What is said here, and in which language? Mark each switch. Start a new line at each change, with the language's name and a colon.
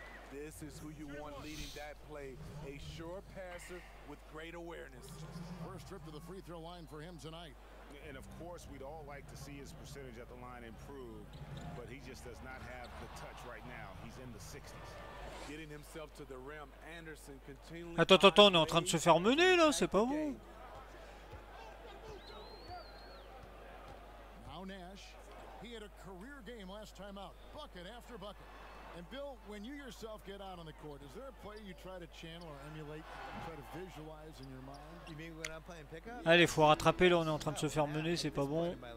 English: This is who you want leading that play, a sure passer with great awareness. First trip to the free throw line for him tonight. And of course, we'd all like to see his percentage at the line improve, but he just does not have the touch right now. He's in the 60s. Getting himself to the rim, Anderson continually.
French: Attends, on est en train de se faire mener là, c'est pas bon.
English: Now Nash, he had a career game last time out, bucket after bucket. And Bill, when you yourself get out on the court, is there a play you try to channel or emulate, try to visualize in your mind? You mean when I'm playing pickup?
French: Allez, faut rattraper là, on est en train de se faire mener, c'est pas bon.